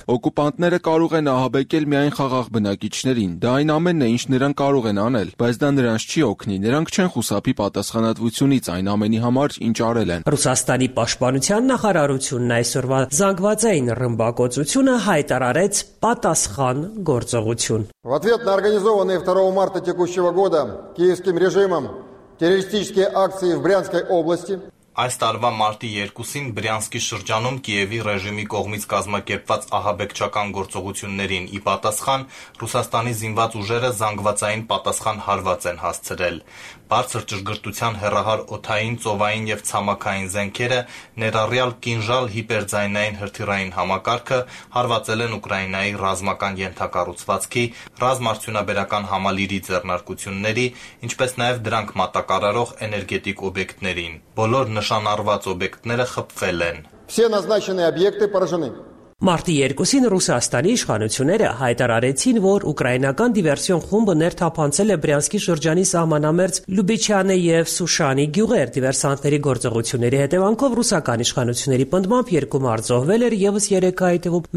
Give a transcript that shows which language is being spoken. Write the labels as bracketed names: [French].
[Armenian] Օկուպանտները կարող են ահաբեկել միայն խաղաղ բնակիչներին, դա այն ամենն է, ինչ նրանք կարող են անել, բայց դա նրանց չի օգնի։ Նրանք չեն խուսափի պատասխանատվությունից այն ամենի համար, ինչ արել են։ Ռուսաստանի պաշտպանության նախարարությունն այսօրվա զանգվածային ռմբակոծությունը հայտարարեց պատասխան գործողություն։ [Russian] В ответ на организованные 2 марта текущего года киевским режимом террористические акции в Брянской области [Armenian] Այս տարվա մարտի 2-ին Բրյանսկի շրջանում Կիևի ռեժիմի կողմից կազմակերպված ահաբեկչական գործողություններին ի պատասխան Ռուսաստանի զինված ուժերը զանգվածային պատասխան հարված են հասցրել։ Բարձր ճշգրտության հեռահար օթային, ծովային եւ ցամաքային զենքերը, ներառյալ կինժալ հիպերձայնային հրթիռային համակարգը հարվածել են Ուկրաինայի ռազմական ենթակառուցվածքի, ռազմարդյունաբերական համալիրի ձեռնարկությունների, ինչպես նաեւ դրանք մատակարարող էներգետիկ օբյեկտներին։ Բոլոր նշանառված օբյեկտները խփվել են։ [Russian] Все назначенные объекты поражены. [Armenian] Մարտի 2-ին Ռուսաստանի իշխանությունները հայտարարեցին, որ ուկրաինական դիվերսիոն խումբը ներթափանցել է Բրյանսկի շրջանի սահմանամերձ Լուբիչյանե եւ Սուշանի գյուղեր։ Դիվերսանտների գործողությունների հետևանքով ռուսական իշխանությունների ընդմամբ 2 մարտ զոհվել էր եւս 3 հայտվում